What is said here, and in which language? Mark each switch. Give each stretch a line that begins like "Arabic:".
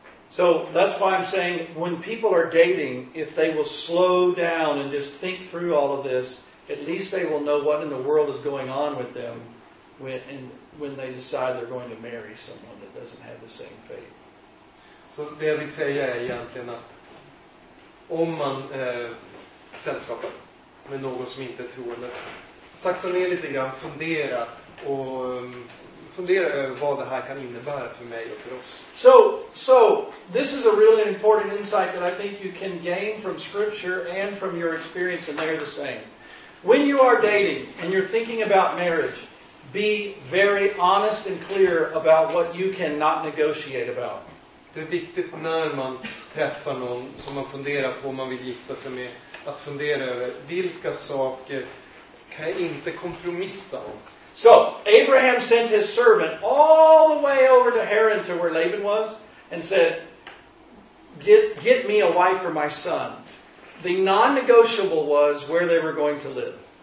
English: So that's why I'm saying when people are dating, if they will slow down and just think through all of this, at least they will know what in the world is going on with them when they decide they're going to marry someone that doesn't have the same faith.
Swedish: Så det jag vill säga är egentligen att om man sällskapar med någon som inte är troende, sakta ner lite grann, fundera och fundera över vad det här kan innebära för mig och för oss.
English: So this is a really important insight that I think you can gain from scripture and from your experience, and they're the same. When you are dating and you're thinking about marriage, be very honest and clear about what you cannot negotiate about.
Swedish: Det är viktigt när man träffar någon som man funderar på om man vill gifta sig med, att fundera över vilka saker kan jag inte kompromissa om.
English: So, Abraham sent his servant all the way over to Haran, to where Laban was, and said, get me a wife for my son. The non-negotiable was where they were going to live.